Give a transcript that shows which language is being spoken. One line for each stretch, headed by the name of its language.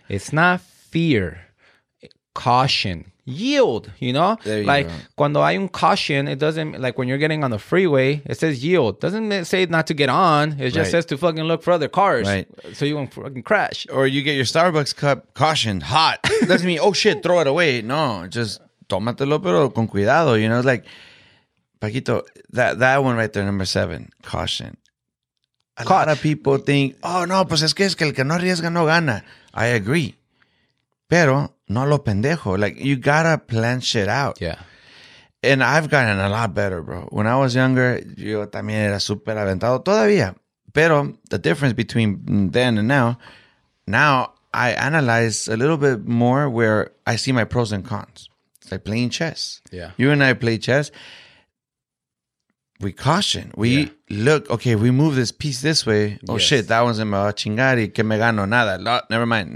English: It's not fear. Caution. Yield, you know? You like, go.
Spanish: Cuando hay un
English: caution, it doesn't, like when you're getting on the freeway, it says yield. Doesn't it say not to get on. It just says to fucking look for other cars. Right. So you won't fucking crash. Or you get your Starbucks cup, caution, hot. Doesn't mean, oh shit, throw it away. No, just
Spanish: tómatelo, pero con cuidado.
English: You know, it's like, Paquito, that one right there, 7, caution. A lot of people think, oh no,
Spanish: pues es que el que no arriesga no gana.
English: I agree.
Spanish: Pero, no lo pendejo.
English: Like, you gotta plan shit out. Yeah. And I've gotten a lot better, bro. When I was younger,
Spanish: yo también era super aventado todavía. Pero
English: the difference between then and now I analyze a little bit more where I see my pros and cons. It's like playing chess. Yeah. You and I play chess. We caution. We look, okay, we move this piece this way. Oh, yes. Shit, that one's in my chingari.
Spanish: Que me gano nada.
English: No, never mind.